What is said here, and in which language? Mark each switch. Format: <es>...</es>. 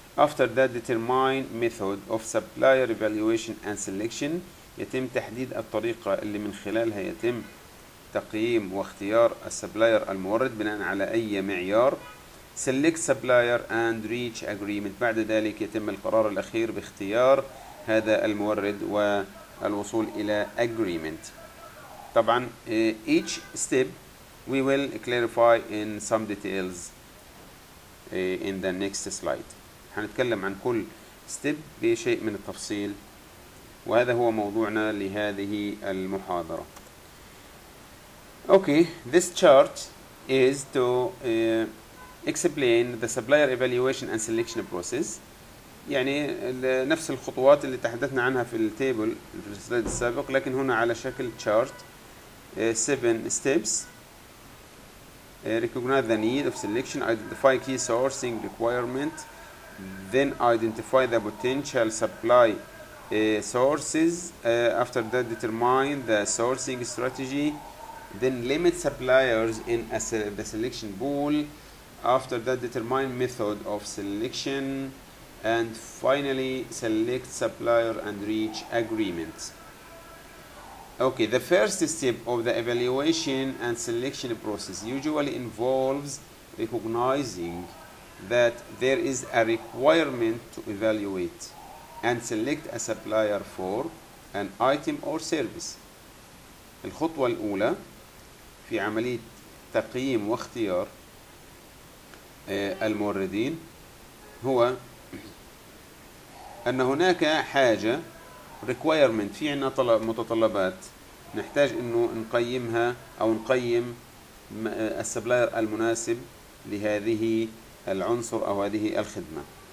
<en>After that determine method of supplier evaluation and selection.</en> <ar>يتم تحديد الطريقة اللي من خلالها يتم تقييم واختيار السبلاير المورد بناء على أي معيار.</ar> <en>Select supplier and reach agreement.</en> <ar>بعد ذلك يتم القرار الأخير باختيار هذا المورد والوصول إلى agreement. طبعا</ar> <en>each step we will clarify in some details in the next slide.</en> <ar>هنتكلم عن كل step بشيء من التفصيل، وهذا هو موضوعنا لهذه المحاضرة.</ar> <en>Okay, this chart is to explain the supplier evaluation and selection process.</en> <ar>يعني نفس الخطوات اللي تحدثنا عنها في التيبل في السلايد السابق، لكن هنا على شكل chart.</ar> <en>7 steps. Recognize the need of selection. Identify key sourcing requirement. Then identify the potential supply sources. After that determine the sourcing strategy. Then limit suppliers in the selection pool. After that determine method of selection. and finally select supplier and reach agreement. Okay, the first step of the evaluation and selection process usually involves recognizing that there is a requirement to evaluate and select a supplier for an item or service.</en> <ar>الخطوة الأولى في عملية تقييم واختيار الموردين هو أن هناك حاجة requirement، في عنا طلب متطلبات نحتاج إنه نقيمها أو نقيم السبلاير المناسب لهذه العنصر أو هذه الخدمة.</ar>